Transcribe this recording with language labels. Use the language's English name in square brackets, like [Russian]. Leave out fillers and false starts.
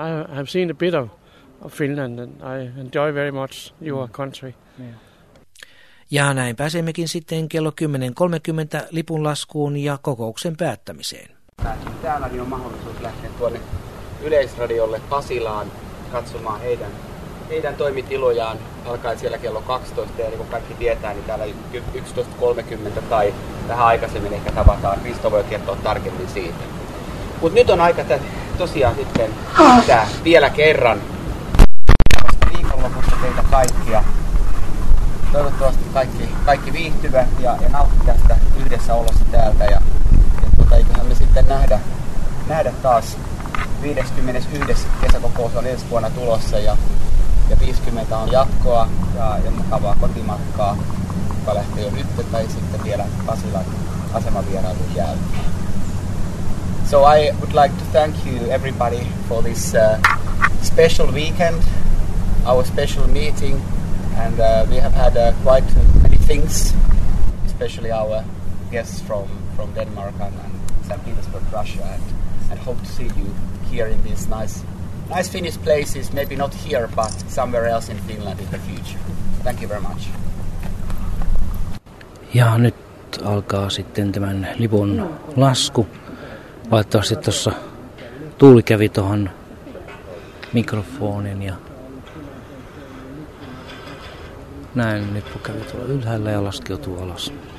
[English] I have seen a bit of Finland and I enjoy very much your country. Yeah. [Finnish] Ja näin pääsemmekin sitten kello 10.30 lipun laskuun ja kokouksen päättämiseen. Täällä niin on mahdollisuus lähteä tuonne Yleisradiolle Pasilaan katsomaan heidän toimitilojaan alkaen siellä kello 12, ja niin kuin kaikki tietää, niin täällä 11.30 tai vähän aikaisemmin ehkä tavataan. Risto voi kertoa tarkemmin siitä. Mutta nyt on aika tosiaan sitten tää vielä kerran viikonlopussa teitä kaikkia. Toivottavasti kaikki viihtyvät ja nautti tästä yhdessä olossa täältä. Ja eiköhän me sitten nähdä taas 51. kesäkokous on ensi vuonna tulossa. Ja 50 on jatkoa ja mukavaa kotimatkaa, joka lähtee jo nyt tai sitten vielä Pasilan asemavierailun jälkeen. [English] So I would like to thank you everybody for this special weekend, our special meeting, and we have had quite many things, especially our guests from Denmark and St. Petersburg, Russia, and hope to see you here in this nice Finnish places, maybe not here, but somewhere else in Finland in the future. Thank you very much. [Finnish] Ja nyt alkaa sitten tämän lipun lasku. Valitettavasti tuossa tuuli kävi tuohon mikrofonin ja näin lippu kävi tuolla ylhäällä ja laskeutuu alas.